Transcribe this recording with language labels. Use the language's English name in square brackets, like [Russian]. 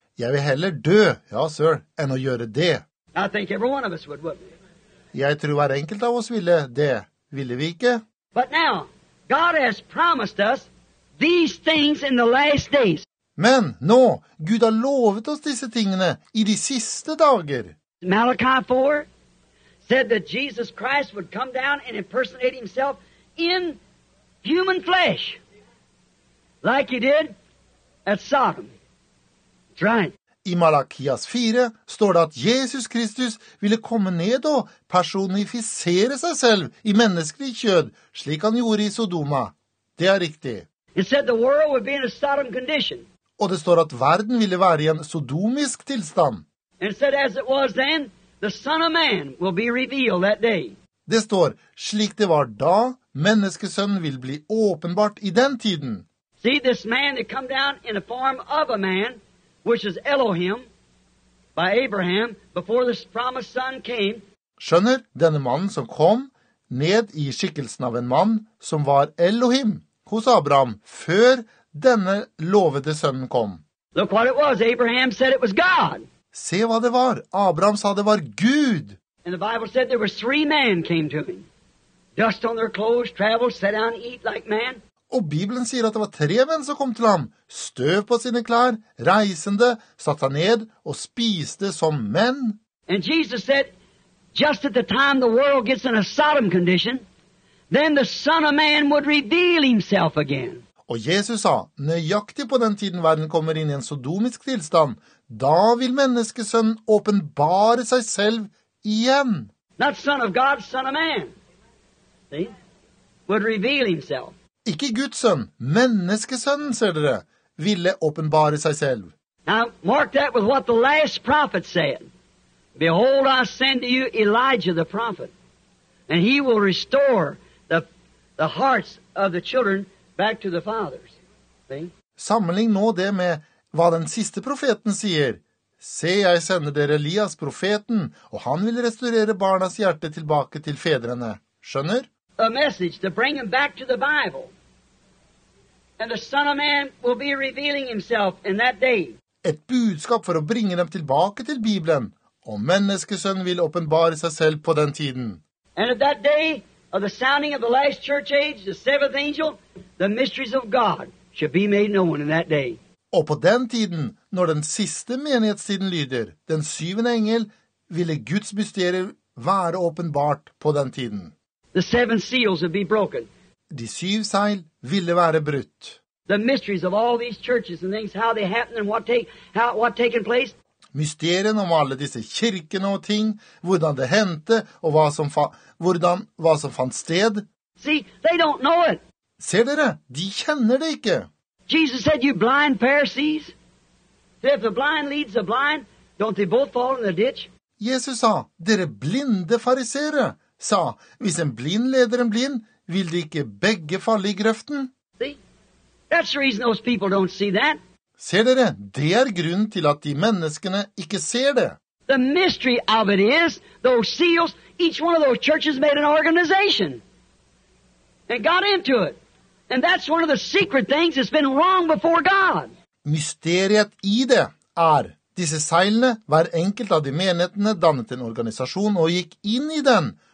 [Norwegian] Jeg vil heller dø, ja, sir, enn å gjøre det. [English] I think every one of us would, wouldn't we? [Norwegian] Jeg tror hver enkelt av oss ville det. Ville vi ikke? [English] But now, God has promised us these things in the last days. [Norwegian] Men nå, Gud lovet oss disse tingene i de siste dager. [English] Malachi 4 said that Jesus Christ would come down and impersonate himself in human flesh, like he did at Sodom. That's right. [Norwegian] I Malakias 4 står det at Jesus Kristus ville komme ned og personifisere seg selv i menneskelig kjød, slik han gjorde i Sodoma. Det riktig. [English] It said the world would be in a Sodom condition. [Norwegian] Og det står at verden ville være i en sodomisk tilstand. [English] And said as it was then, the Son of Man will be revealed that day. [Norwegian] Det står, slik det var da, menneskesønnen vil bli åpenbart i den tiden. [English] See, this man that come down in the form of a man, which is Elohim, by Abraham, before this promised son came. [Norwegian] Skjønner, denne mannen som kom ned i skikkelsen av en mann, som var Elohim, hos Abraham, før denne lovede sønnen kom. [English] Look what it was. Abraham said it was God. [Norwegian] Se hva det var. Abraham sa det var Gud. [English] And the Bible said there were three men came to him. Dust on their clothes, travel, sit down and eat like man. [Norwegian] Og Bibelen sier at det var tre menn som kom til ham, støv på sine klær, reisende, satt han ned og spiste som menn. [English] And Jesus said, just at the time the world gets in a Sodom condition, then the Son of Man would reveal himself again. [Norwegian] Og Jesus sa, nøyaktig på den tiden verden kommer inn i en sodomisk tilstand, da vil menneskesønnen åpenbare seg selv igjen. [English] Not Son of God, Son of Man. See? Would reveal himself. [Norwegian] Ikke Guds sønn, menneskesønnen, ser dere, ville åpenbare seg selv. [English] Now, mark that with what the last prophet said. Behold, I send to you Elijah the prophet, and he will restore the hearts of the children back to the fathers. See? [Norwegian] Sammenlign nå det med hva den siste profeten sier. Se, jeg sender dere Elias profeten, og han vil restaurere barnas hjerte tilbake til fedrene. Skjønner? [English] A message to bring him back to the Bible. And the Son of Man will be revealing himself in that day. [Norwegian] Et budskap for å bringe dem tilbake til Bibelen, og menneskesønnen vil åpenbare seg selv på den tiden. [English] And at that day of the sounding of the last church age, the seventh angel, the mysteries of God shall be made known in that day. [Norwegian] Og på den tiden, når den siste menighetstiden lyder, den syvende engel, ville Guds mysterier være åpenbart på den tiden. [English] The seven seals would be broken. [Norwegian] De syv seil ville være brutt. [English] The mysteries of all these churches and things, how they happened and what taken place. [Norwegian] Mysterien om alle disse kirkene og ting, hvordan det hendte og hva som fant sted. [English] See, they don't know it. [Norwegian] Ser dere? De kjenner det ikke. [English] Jesus said, you blind Pharisees. If the blind leads the blind, don't they both fall in the ditch? [Norwegian] Jesus sa, dere blinde fariserer. Sa, hvis en blind leder en blind, vil de ikke begge falle i grøften? Ser dere, det er grunnen til at de menneskene ikke ser det. [English] The mystery of it is, those seals, each one of those churches made an organization. And got into it. And that's one of the secret things that's been wrong before God. [Norwegian] Mysteriet i det er, disse seilene, hver enkelt av de menighetene dannet en organisasjon og gikk inn i den.